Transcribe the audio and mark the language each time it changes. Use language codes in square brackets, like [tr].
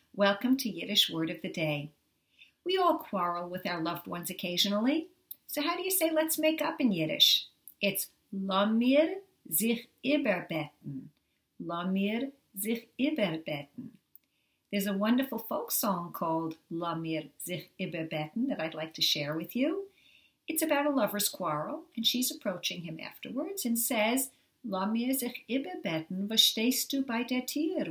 [en] Welcome to Yiddish Word of the Day. We all quarrel with our loved ones occasionally. So how do you say let's make up in Yiddish? It's [yi] lamir sich überbeten. Lamir sich überbeten. [en] There's a wonderful folk song called [yi] lamir sich überbeten [en] that I'd like to share with you. It's about a lover's quarrel, and she's approaching him afterwards and says, [yi] Lamir sich überbeten, was stehst du bei der Tür?